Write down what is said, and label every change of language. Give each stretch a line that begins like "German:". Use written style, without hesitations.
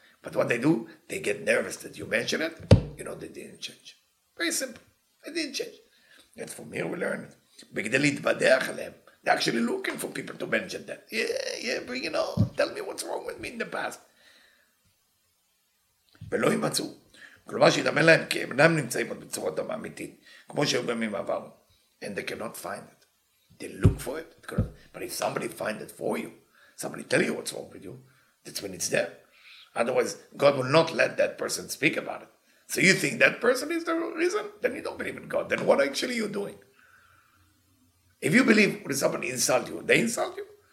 English: But what they do, they get nervous that you mention it. You know, they didn't change. Very simple. They didn't change. That's from here we learn it. They're actually looking for people to mention that. Yeah, but you know, tell me what's wrong with me in the past.
Hebrew: ולא ימצאו. כלומר שידמן להם, כי הם אינם נמצאים עוד בצורות אמיתית, כמו שהיו גם עם עבר.
English: And they cannot find it. They look for it. But if somebody find it for you, somebody tell you what's wrong with you, that's when it's there. Otherwise, God will not let that person speak about it. So you think that person is the reason? Then you don't believe in God. Then what actually are you doing? If you believe when somebody insult you, they insult you?